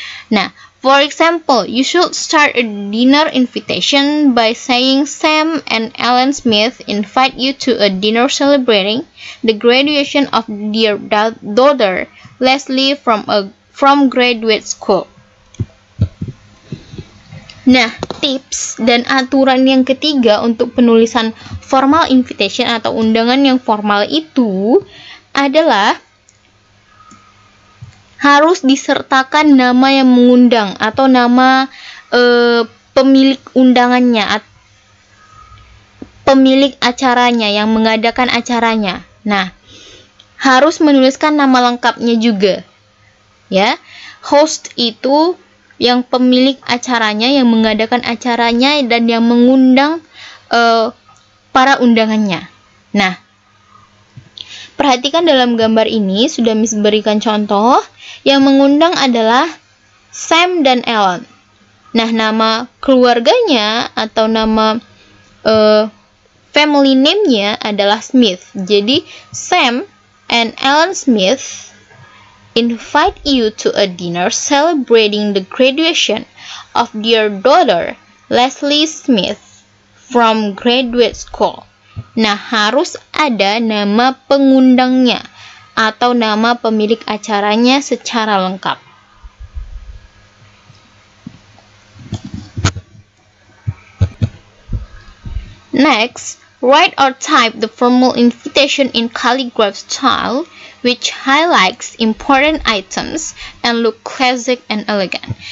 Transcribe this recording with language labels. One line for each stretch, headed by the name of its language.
English: Now, for example, you should start a dinner invitation by saying Sam and Ellen Smith invite you to a dinner celebrating the graduation of their daughter, Leslie, from graduate school.
Indonesian: Nah, tips dan aturan yang ketiga untuk penulisan formal invitation atau undangan yang formal itu adalah harus disertakan nama yang mengundang atau nama pemilik undangannya, pemilik acaranya, yang mengadakan acaranya. Nah, harus menuliskan nama lengkapnya juga. Ya, host itu yang pemilik acaranya, yang mengadakan acaranya, dan yang mengundang para undangannya. Nah, perhatikan dalam gambar ini, sudah Miss berikan contoh, yang mengundang adalah Sam dan Ellen. Nah, nama keluarganya atau nama family name-nya adalah Smith.
English: Jadi, Sam and Ellen Smith invite you to a dinner celebrating the graduation of their daughter, Leslie Smith, from graduate school.
Indonesian: Nah, harus ada nama pengundangnya atau nama pemilik acaranya secara lengkap.
English: Next, write or type the formal invitation in calligraph style, which highlights important items and look classic and elegant.